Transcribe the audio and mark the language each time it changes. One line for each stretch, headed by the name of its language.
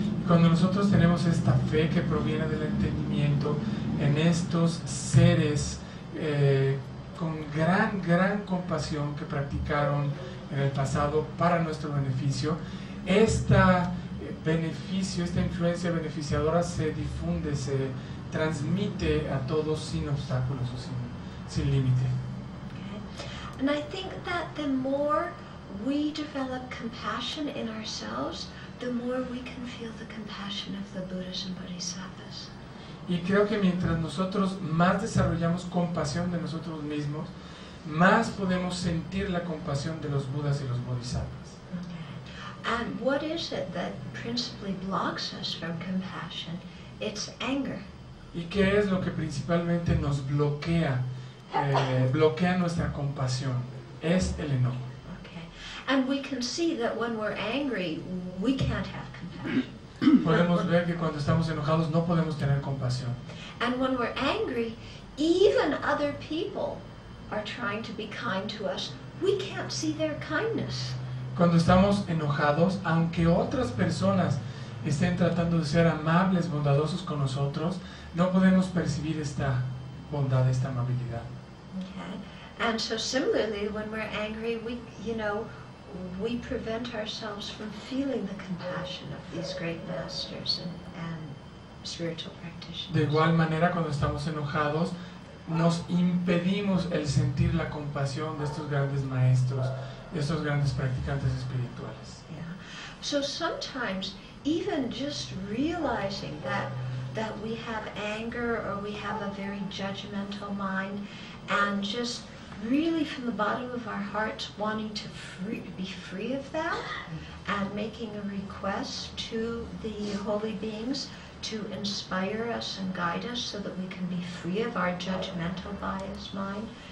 Spanish: Cuando nosotros tenemos esta fe que proviene del entendimiento en estos seres con gran, gran compasión que practicaron en el pasado para nuestro beneficio, este beneficio, esta influencia beneficiadora se difunde, se transmite a todos sin obstáculos o sin límite.
English: And I think that the more we develop compassion in ourselves, the more we can feel the compassion of the Buddhas and Bodhisattvas.
Spanish: Y creo que mientras nosotros más desarrollamos compasión de nosotros mismos, más podemos sentir la compasión de los Budas y los Bodhisattvas.
English: And what is it that principally blocks us from compassion? It's anger.
Spanish: ¿Y qué es lo que principalmente nos bloquea? Bloquea nuestra compasión. Es el enojo.
English: And we can see that when we're angry, we can't have compassion.
Spanish: Podemos ver que cuando estamos enojados no podemos tener compasión.
English: And when we're angry, even other people are trying to be kind to us. We can't see their kindness.
Spanish: Cuando estamos enojados, aunque otras personas estén tratando de ser amables, bondadosos con nosotros, no podemos percibir esta bondad, esta amabilidad.
English: Okay. And so similarly, when we're angry, we prevent ourselves from feeling the compassion of these great masters and spiritual practitioners.
Spanish: De igual manera, cuando estamos enojados, nos impedimos el sentir la compasión de estos grandes maestros, de estos grandes practicantes espirituales.
English: Yeah. So sometimes, even just realizing that we have anger or we have a very judgmental mind, and just really from the bottom of our hearts wanting to be free of that and making a request to the holy beings to inspire us and guide us so that we can be free of our judgmental biased mind.